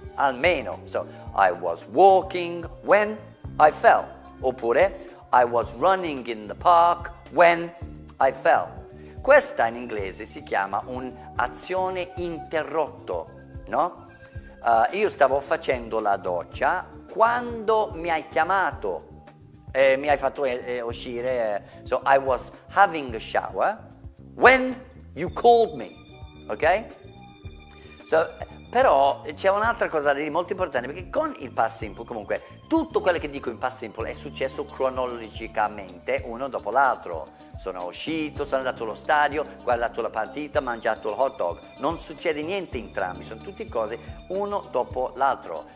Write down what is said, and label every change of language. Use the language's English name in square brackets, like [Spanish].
[Italian] Almeno, [English] so, I was walking when I fell. [Italian] Oppure, [English] I was running in the park when I fell. [Italian] Questa in inglese si chiama un'azione interrotto, no? Io stavo facendo la doccia quando mi hai chiamato, mi hai fatto uscire. [English] So, I was having a shower when you called me, ok? [Italian] So, però c'è un'altra cosa lì molto importante, perché con il past simple, comunque, tutto quello che dico in past simple è successo cronologicamente uno dopo l'altro. Sono uscito, sono andato allo stadio, guardato la partita, mangiato il hot dog. Non succede niente entrambi, sono tutte cose uno dopo l'altro.